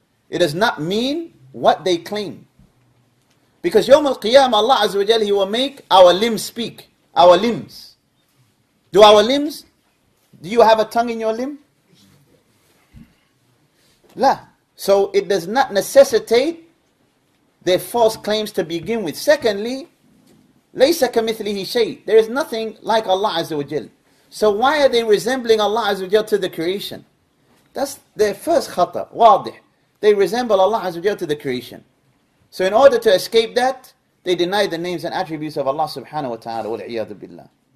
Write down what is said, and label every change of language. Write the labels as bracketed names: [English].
[English] It does not mean what they claim. Because Yawm al-Qiyam, Allah Azza wa Jal, He will make our limbs speak. Our limbs. Do you have a tongue in your limb? La. So it does not necessitate their false claims to begin with. Secondly, [Arabic] لَيْسَ كَمِثْلِهِ شَيْءٍ. [English] There is nothing like Allah Azza wa Jal. So why are they resembling Allah Azza wa Jal to the creation? That's their first khata, wadih. They resemble Allah Azza wa Jal to the creation. So in order to escape that, they deny the names and attributes of Allah subhanahu wa ta'ala, [Arabic] وَالْعِيَادُ بِاللَّهِ.